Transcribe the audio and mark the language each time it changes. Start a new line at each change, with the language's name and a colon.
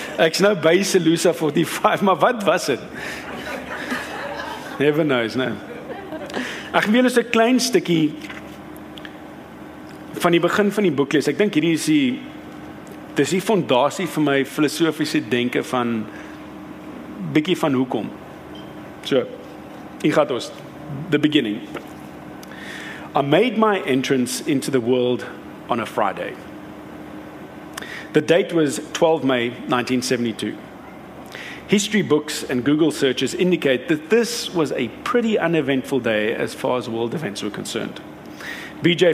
Afrikaans: Ek's nou by Solusa 45, maar wat was dit?
English: Never knows,
Afrikaans: nee. Ek wil ons 'n klein stukkie van die begin van die boek lees. Ek dink hierdie is die, dis die fondasie vir my filosofiese denke van bietjie van hoekom.
English: So, Ikatos, the beginning. I made my entrance into the world on a Friday. The date was 12 May 1972. History books and Google searches indicate that this was a pretty uneventful day as far as world events were concerned. B.J.